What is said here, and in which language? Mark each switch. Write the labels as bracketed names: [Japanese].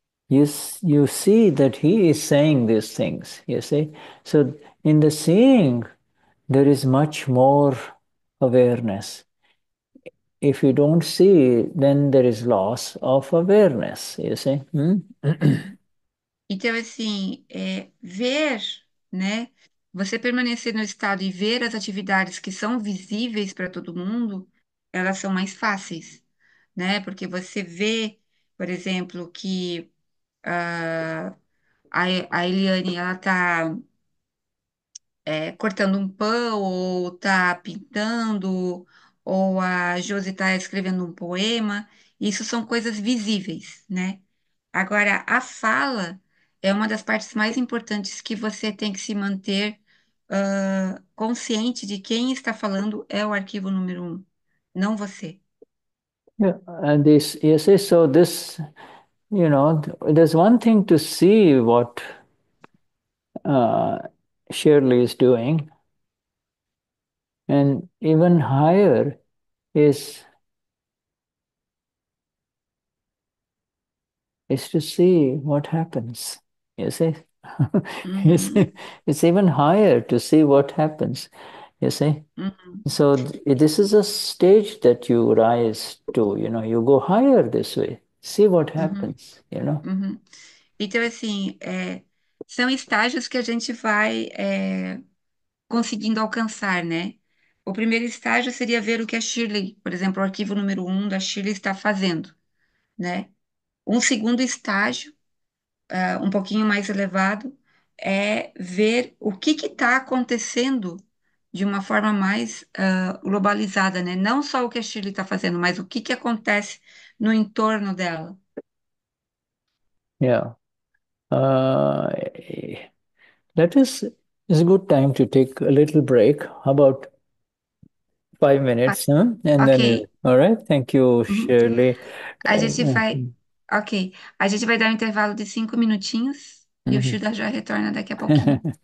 [English] You see that he is saying these things, you see? So in the seeing, there is much more awareness. If you don't see, then there is loss of awareness, you see? [Portuguese] Então, assim, ver, né? Você permanecer no estado e ver as atividades que são visíveis para todo mundo, elas são mais fáceis, né? Porque você vê, por exemplo, que a Eliane ela está cortando um pão, ou está pintando, ou a Josi está escrevendo um poema. Isso são coisas visíveis, né? Agora, a fala é uma das partes mais importantes que você tem que se manter consciente de quem está falando é o arquivo número 1, não você. [English] Yeah, and this, you see, so this, there's one thing to see what Shirley is doing, and even higher is to see what happens, you see. It's even higher to see what happens, you see. So this is a stage that you rise to, you go higher this way, see what happens, [Portuguese] Então, assim, são estágios que a gente vai conseguindo alcançar, né? O primeiro estágio seria ver o que a Shirley, por exemplo, o arquivo número 1 da Shirley está fazendo, né? Um segundo estágio, um pouquinho mais elevado, é ver o que que está acontecendo de uma forma mais globalizada, né? Não só o que a Shirley está fazendo, mas o que que acontece no entorno dela. [English] Let us, it's a good time to take a little break, about 5 minutes, and then Ok. all right, thank you, Shirley. [Portuguese] A gente vai. Ok. A gente vai dar um intervalo de 5 minutinhos. E o Shuda já retorna daqui a pouquinho.